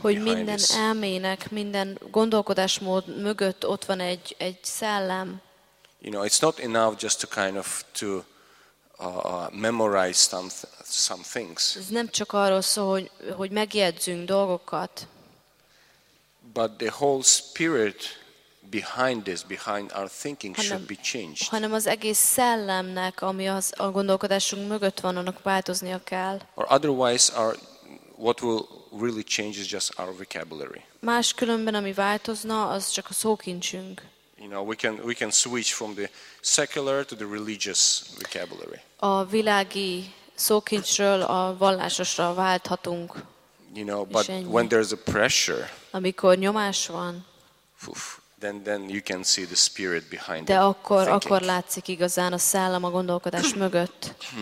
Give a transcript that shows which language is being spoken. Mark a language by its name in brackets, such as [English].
[Hungarian] Hogy minden elmének, minden gondolkodásmód mögött ott van egy szellem. [English] You know, it's not enough just to kind of to memorize some things. [Hungarian] Ez nem csak arról szól, hogy megjegyzünk dolgokat. [English] But the whole spirit behind this, behind our thinking, should be changed. [Hungarian] Hanem az egész szellemnek, ami az a gondolkodásunk mögött van, annak változnia kell. [English] Or otherwise, what will really change is just our vocabulary. [Hungarian] Máskülönben, ami változna, az csak a szókincsünk. [English] You know, we can switch from the secular to the religious vocabulary. [Hungarian] A világi szókincsről a vallásosra válthatunk. [English] You know, but when there's a pressure. [Hungarian] Amikor nyomás van. [English] Then you can see the spirit behind. [Hungarian] De akkor látszik igazán a szellem a gondolkodás mögött.